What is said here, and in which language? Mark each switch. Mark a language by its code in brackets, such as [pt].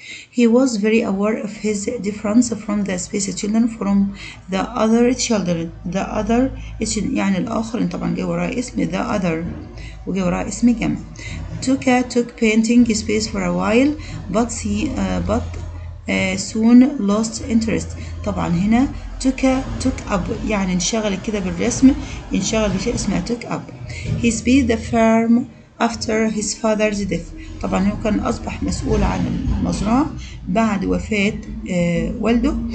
[en] He was very aware of his difference from the space children from the other children. The other [ar] يعني الآخرين. طبعا جاء وراء اسم [en] the other [ar] وجاء وراء اسم جمع. [en] Took painting space for a while but soon lost interest. [ar] طبعا هنا [en] took up [ar] يعني انشغل كده بالرسم انشغل بشيء اسمه took up. [en] He built the firm after his father's death. [ar] طبعا هو كان اصبح مسؤول عن المزرعة بعد وفاة والده.